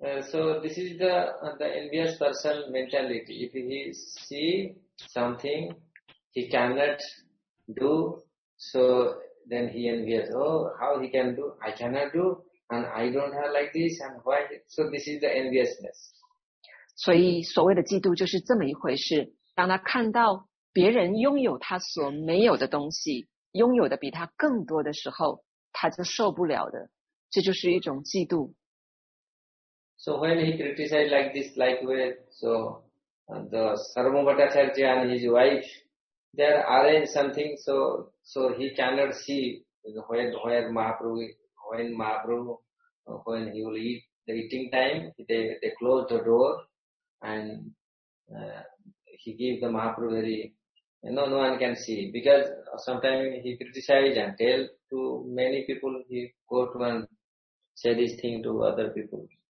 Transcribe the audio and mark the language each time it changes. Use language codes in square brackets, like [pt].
[en] So this is the envious person mentality. If he see something he cannot do, so then he envious. Oh, how he can do? I cannot do, and I don't have like this, and why? So this is the enviousness. [zh] 所以所谓的嫉妒就是这么一回事。当他看到别人拥有他所没有的东西，拥有的比他更多的时候，他就受不了的。这就是一种嫉妒。 [en] So when he criticized like this, like way, so the Sarvam Bhattacharya and his wife, they arranged something so he cannot see when he will eat the eating time, they close the door and he gave the Mahaprabhu very, no one can see because sometimes he criticized and tell to many people, he quote and say this thing to other people.